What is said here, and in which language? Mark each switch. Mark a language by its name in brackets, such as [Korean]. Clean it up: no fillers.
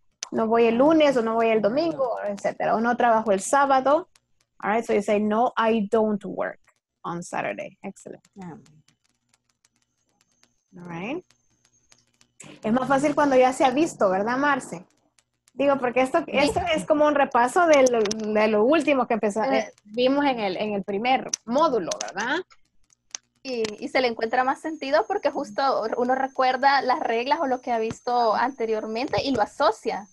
[Spanish] No voy el lunes o no voy el domingo, etc. O no trabajo el sábado. [English] All right, so you say, no, I don't work on Saturday. Excellent. Yeah. All right. [Spanish] Es más fácil cuando ya se ha visto, ¿verdad, Marce? Digo, porque esto es como un repaso de lo último que vimos en el primer módulo, ¿verdad? Y se le encuentra más sentido porque justo uno recuerda las reglas o lo que ha visto anteriormente y lo asocia.